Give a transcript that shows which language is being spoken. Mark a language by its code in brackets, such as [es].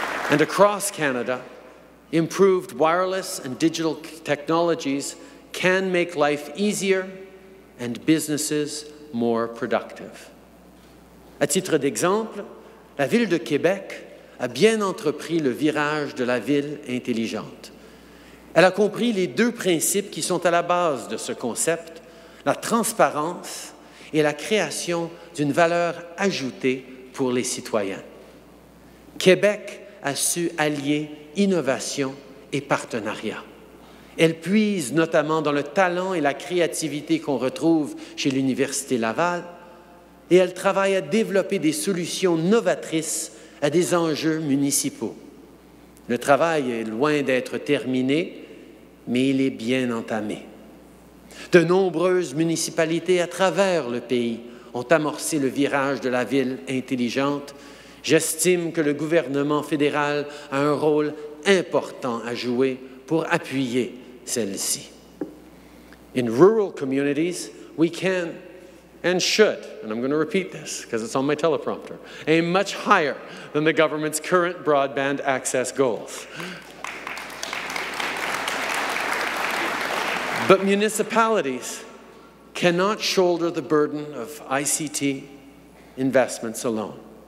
[en] And across Canada, improved wireless and digital technologies can make life easier and businesses more productive. [fr] À titre d'exemple, la ville de Québec a bien entrepris le virage de la ville intelligente. Elle a compris les deux principes qui sont à la base de ce concept, la transparence et la création d'une valeur ajoutée pour les citoyens. Québec a su allier innovation et partenariat. Elle puise notamment dans le talent et la créativité qu'on retrouve chez l'Université Laval, et elle travaille à développer des solutions novatrices à des enjeux municipaux. Le travail est loin d'être terminé, mais il est bien entamé. De nombreuses municipalités à travers le pays ont amorcé le virage de la ville intelligente. J'estime que le gouvernement fédéral a un rôle important à jouer pour appuyer celle-ci. [en] In rural communities, we can and should, and I'm going to repeat this because it's on my teleprompter, aim much higher than the government's current broadband access goals. But municipalities cannot shoulder the burden of ICT investments alone.